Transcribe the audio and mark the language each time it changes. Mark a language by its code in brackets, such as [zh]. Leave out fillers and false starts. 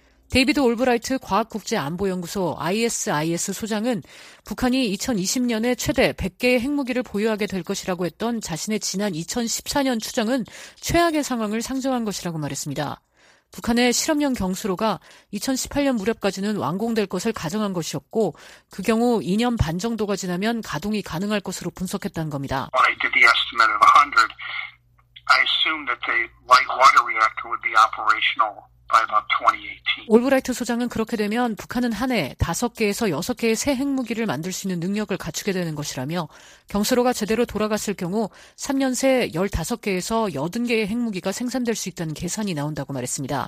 [ko] 데이비드 올브라이트 과학국제안보연구소 ISIS 소장은 북한이 2020년에 최대 100개의 핵무기를 보유하게 될 것이라고 했던 자신의 지난 2014년 추정은 최악의 상황을 상정한 것이라고 말했습니다. 북한의 실험용 경수로가 2018년 무렵까지는 완공될 것을 가정한 것이었고 그 경우 2년 반 정도가 지나면 가동이 가능할 것으로 분석했다는 겁니다. [en] I did the estimate of 100. I assume that the light water reactor would be operational. [ko] 올브라이트 소장은 그렇게 되면 북한은 한 해 5개에서 6개의 새 핵무기를 만들 수 있는 능력을 갖추게 되는 것이라며 경수로가 제대로 돌아갔을 경우 3년 새 15개에서 80개의 핵무기가 생산될 수 있다는 계산이 나온다고 말했습니다.